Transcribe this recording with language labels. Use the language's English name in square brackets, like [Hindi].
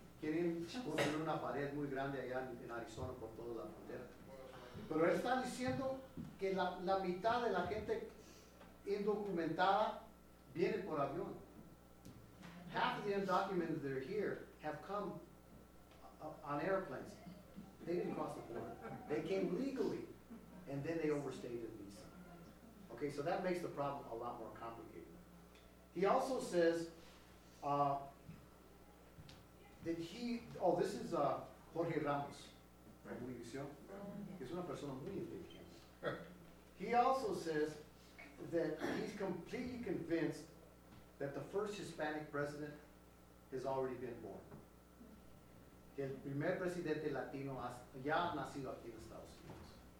[Spanish] Quieren construir una pared muy grande allá en Arizona por toda la frontera. Pero él está diciendo que la mitad de la gente indocumentada viene por avión. [English] Half of the undocumented that are here have come on airplanes. They didn't cross the border. They came legally, and then they overstayed in visa. Okay, so that makes the problem a lot more complicated. He also says this is Jorge Ramos, from Univision. He's [Spanish] una persona muy inteligente. [English] He also says that he's completely convinced that the first Hispanic president has already been born. [Spanish] Que el primer presidente latino ya ha nacido aquí en Estados Unidos.